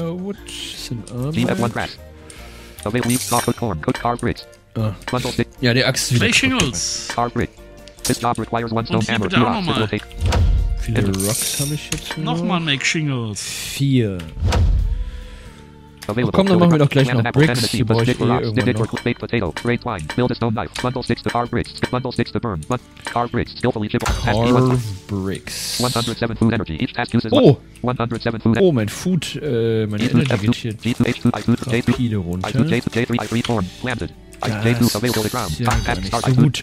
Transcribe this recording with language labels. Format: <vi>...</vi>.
<de>So, Firewood ist in Arbeit. Ja, der Axt ist wieder.</de> <en>Play Shingles. This job requires one stone hammer.</en> <de>Viele Rocks habe ich jetzt nochmal</de> <en>Make Shingles. 4.</en> <de>Oh, komm, dann machen wir doch gleich noch Bricks. Hier brauche ich eh irgendwann noch.</de> <en>Baked potato, great wine, build a stone knife, bundle sticks to carve bricks, bundle sticks to burn, carve bricks, skillfully chip. Carve bricks. 107 food energy, each task uses. Oh!</en> <de>Oh, mein Food, meine Energie geht hier</de>